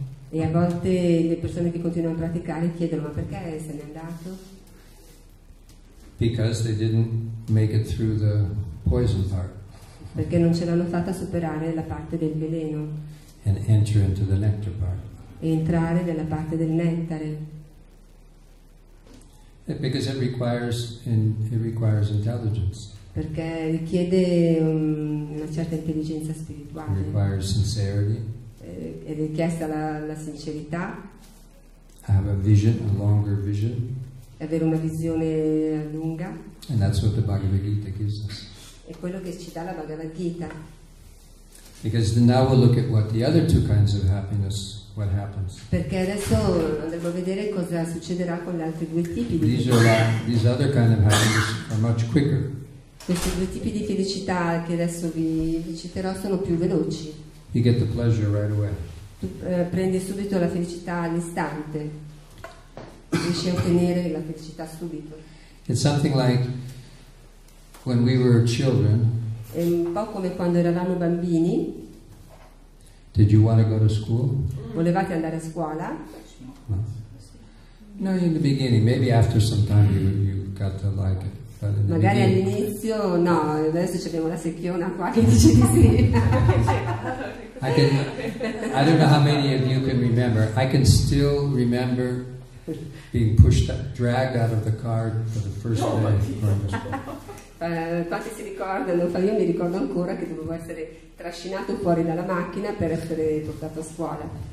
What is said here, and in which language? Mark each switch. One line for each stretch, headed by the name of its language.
Italian: E a volte le persone che continuano a praticare chiedono, ma perché se n'è andato?
English: Because they didn't make it through the poison part.
Italian: Perché non ce l'hanno fatta superare la parte del veleno.
English: And enter into the nectar part.
Italian: E entrare nella parte del nettare.
English: Because it requires intelligence.
Italian: Perché richiede una certa intelligenza spirituale.
English: It requires sincerity.
Italian: È richiesta la sincerità.
English: Have a vision, a longer vision.
Italian: Avere una visione lunga.
English: And that's what the Bhagavad Gita gives us.
Italian: È quello che ci dà la Bhagavad Gita.
English: Because now we'll look at what the other two kinds of happiness, what happens.
Italian: Perché adesso andremo a vedere cosa succederà con gli altri due tipi di felicità.
English: These other kind of happiness are much quicker.
Italian: Questi due tipi di felicità che adesso vi citerò sono più veloci.
English: You get the pleasure right away.
Italian: Tu prendi subito la felicità all'istante. Riesci a ottenere la felicità subito.
English: It's something like when we were children.
Italian: È un po' come quando eravamo bambini.
English: Did you want to go to school?
Italian: Volevate andare a scuola?
English: No. No, in the beginning, maybe after some time you got to like it.
Italian: Magari all'inizio no, adesso abbiamo la secchiona qua che dice di sì.
English: I don't know how many of you can remember. I can still remember being pushed up, dragged out of the car for the first day.
Italian: Quanti si ricordano? Io mi ricordo ancora che dovevo essere trascinato fuori dalla macchina per essere portato a scuola.